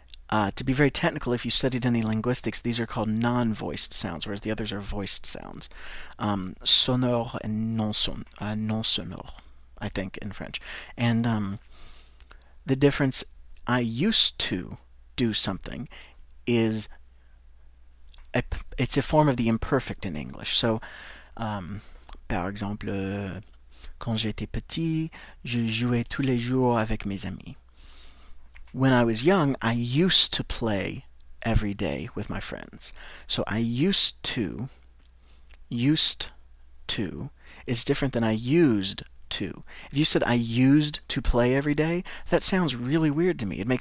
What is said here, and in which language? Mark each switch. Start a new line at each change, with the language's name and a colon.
English: To be very technical, if you studied any linguistics, these are called non-voiced sounds, whereas the others are voiced sounds. Sonore and non-sonore, I think, in French. And the difference, I used to do something, is it's a form of the imperfect in English.
French: So, par exemple, quand j'étais petit, je jouais tous les jours avec mes amis.
English: When I was young, I used to play every day with my friends. So I used to is different than I used to. If you said I used to play every day, that sounds really weird to me.